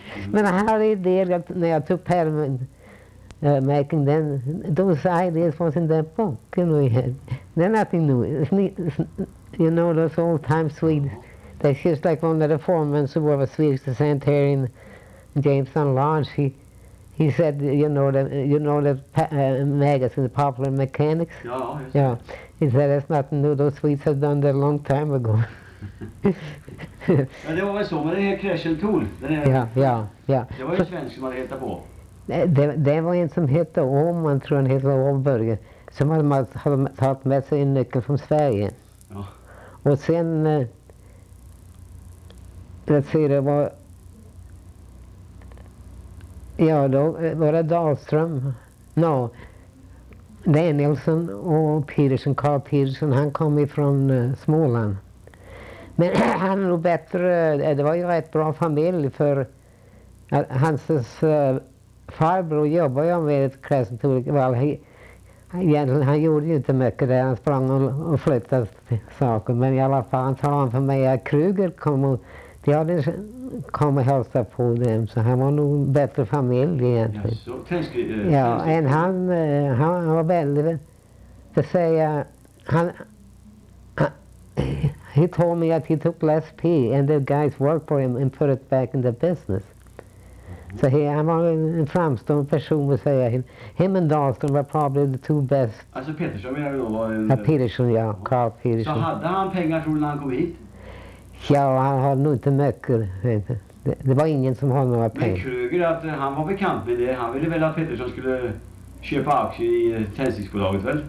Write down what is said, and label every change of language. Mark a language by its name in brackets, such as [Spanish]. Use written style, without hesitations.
[Swedish] Men han hade idéer när jag tog pärmen, [English] making them. Those ideas was in that book, you know, they're nothing new. You know those old time Swedes, that's just like one of the foremen who were a Swedish descent here in Jamestown Lodge. He said, you know the magazine, the Popular Mechanics? Yeah. He said, that's nothing new, those Swedes have done that a long time ago. [Swedish] Ja, det var väl så med den här Crescent Tool. Det var ju svensk som man hette på. Det var en som hette Åman, tror han hette Åberg. Som hade tagit med sig en nyckel från Sverige. Ja. Och sen, [English] let's see, [Swedish] det var... Ja, då var det Dahlström, Danielsson och Peterson, Carl Peterson, han kom ifrån Småland. Men han var nog bättre, det var ju rätt bra familj för hans farbror jobbade ju med ett Crescent Tool. Well, han gjorde ju inte mycket där, han sprang och flyttade saker, men i alla fall han talade om för mig att Kruger kom och de hade kom och hälsa på dem, så han var nog bättre familj egentligen. Ja, och han var väldigt, för att säga, [English] he told me that he took less pay and the guys worked for him and put it back in the business. [Swedish] Så han var en framstående person, vill säga. [English] Him and Dahlström [Swedish] var [English] probably the two best. [Swedish] Alltså Petersson menar du då? Var en... Ja, Petersson, ja. Carl Petersson. Så hade han pengar tror du när han kom hit? Ja, han hade nog inte mycket. Det var ingen som hade några pengar. Men Kröger, att han var bekant med det. Han ville väl att Petersson skulle köpa aktier i tändsticksbolaget, väl?